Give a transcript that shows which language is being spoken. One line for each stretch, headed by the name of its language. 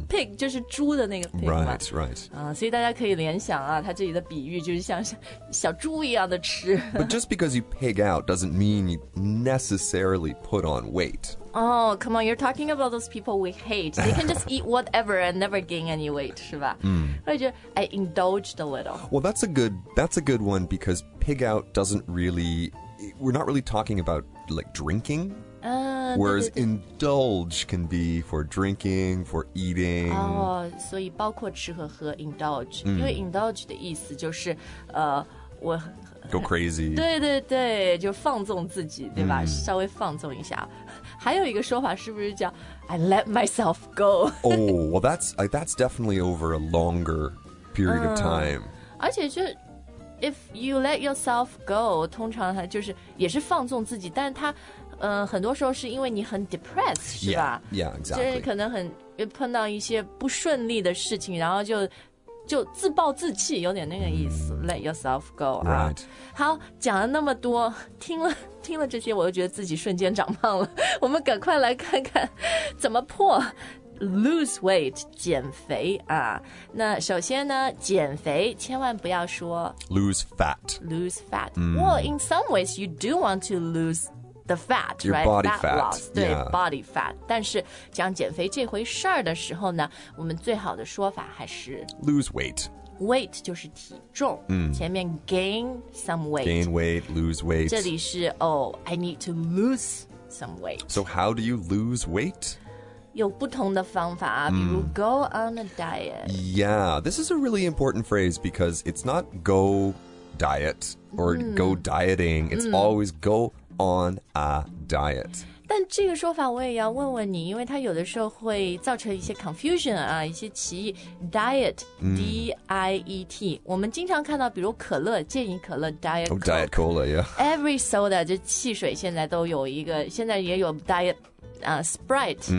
Chinese: pig 就是猪的那个 pig
English: right right、
Chinese: 所以大家可以联想啊，它这里的比喻就是像小猪一样的吃
English: but just because you pig out doesn't mean you necessarily put on weight Oh, come on, you're talking about those people we hate. They can just eat whatever and never gain any weight,
Chinese: 是吧、 mm.
English: I indulged a little. Well, that's a good one because pig out doesn't really, we're not really talking about like drinking. Whereas indulge can be for drinking, for eating.
Chinese: Oh, 所以包括吃和喝 indulge.、Mm. 因为 indulge 的意思就是、我
English: Go crazy.
Chinese: 对对对，就放纵自己，对吧？ Mm. 稍微放纵一下。还有一个说法是不是叫
English: I let myself go? Oh, well, that's definitely over a longer period of time.
Chinese: 而且就
English: if you let yourself go,
Chinese: 通常它就是也是放纵自己，但它、很多时候是因为你很 depressed, 是吧？
English: Yeah, exactly.
Chinese: 就是可能很碰到一些不顺利的事情，然后就。就自暴自弃有点那个意思、mm.
English: Let yourself go、 right.
Chinese: 好讲了那么多听了这些我就觉得自己瞬间长胖了我们赶快来看看怎么破 Lose weight 减肥啊。那首先呢减肥千万不要说
English: Lose fat、 mm. Well in some ways you do want to lose the fat Your、 right? body fat loss,、 yeah.
Chinese: 对 body fat 但是讲减肥这回事儿的时候呢我们最好的说法还是
English: Lose weight
Chinese: Weight 就是体重、 mm. 前面
English: gain some weight Gain weight, lose weight
Chinese: 这里是
English: Oh, I need to lose some weight So how do you lose weight?
Chinese: 有不同的方法、啊、比如
English: go on a diet. Yeah, this is a really important phrase because it's not go diet or、mm. go dieting. It's、mm. always go on a diet.
Chinese: 但这个说法我也要问问你因为它有的时候会造成一些 confusion 啊一些歧义 diet,、mm.
English: D-I-E-T.
Chinese: 我们经常看到比如可乐建议可乐 diet
English: Coke. Oh, diet cola, yeah. Every soda,
Chinese: 就汽水现在都有一个现在也有 dietSprite、